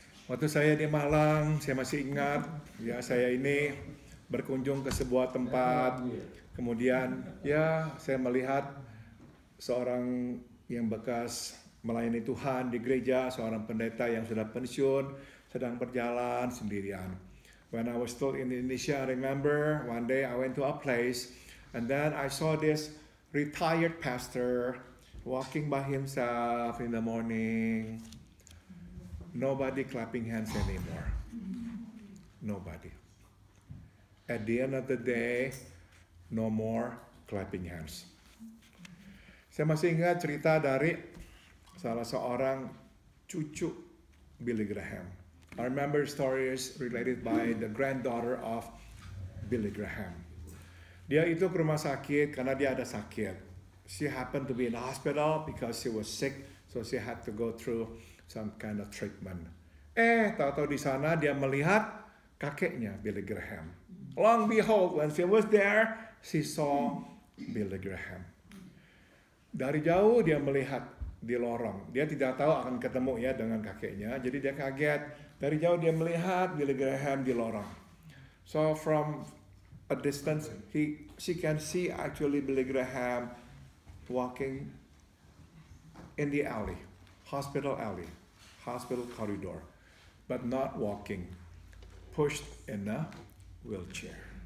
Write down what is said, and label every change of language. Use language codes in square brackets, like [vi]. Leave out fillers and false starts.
[id] Waktu saya di Malang, saya masih ingat ya, saya ini berkunjung ke sebuah tempat, kemudian ya saya melihat seorang yang bekas melayani Tuhan di gereja, seorang pendeta yang sudah pensiun, sedang berjalan sendirian. [en] When I was still in Indonesia, I remember one day I went to a place and then I saw this retired pastor walking by himself in the morning. Nobody clapping hands anymore. Nobody. At the end of the day, no more clapping hands. [id] Saya masih ingat cerita dari salah seorang cucu Billy Graham. [en] I remember stories related by the granddaughter of Billy Graham. [id] Dia itu ke rumah sakit karena dia ada sakit. [en] She happened to be in the hospital because she was sick, so she had to go through some kind of treatment. [id] Tahu-tahu di sana dia melihat kakeknya Billy Graham. [en] Long behold, when she was there, she saw Billy Graham. [id] Dari jauh dia melihat di lorong. Dia tidak tahu akan ketemu ya dengan kakeknya. Jadi dia kaget. Dari jauh dia melihat Billy Graham di lorong. [en] So from a distance, he she can see actually Billy Graham walking in the alley, hospital alley, hospital corridor, but not walking, pushed in a wheelchair.